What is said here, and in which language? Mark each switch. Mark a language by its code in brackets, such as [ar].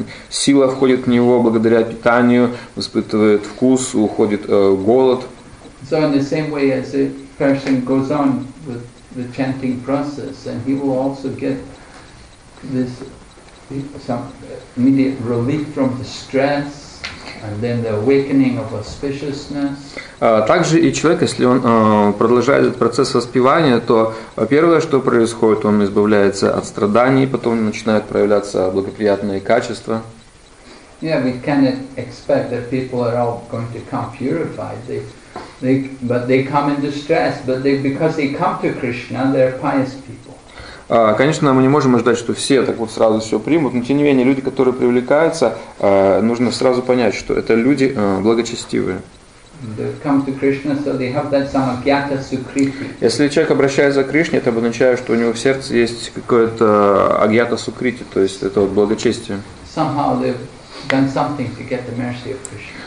[ru] сила входит в него благодаря питанию, испытывает вкус, уходит голод. [en] So in the same way as a person goes on with the chanting process, and he will also get this some immediate relief from the stress, and then the awakening of auspiciousness. [ru] Также и человек, если он продолжает этот процесс воспевания, то первое, что происходит, он избавляется от страданий, потом начинают проявляться благоприятные качества. [en] Yeah, we cannot expect that people are all going to come purified. They come in distress, but they because they come to Krishna, they're pious people. [ru] Конечно, мы не можем ожидать, что все так вот сразу все примут, но тем не менее, люди, которые привлекаются, нужно сразу понять, что это люди благочестивые. [en] Come to Krishna, so they have that samagyata sukriti. [ru] Если человек обращается к Кришне, это обозначает, что у него в сердце есть какое-то агьята сукрити, то есть это вот благочестие. [en] Somehow they've done something to get the mercy of Krishna.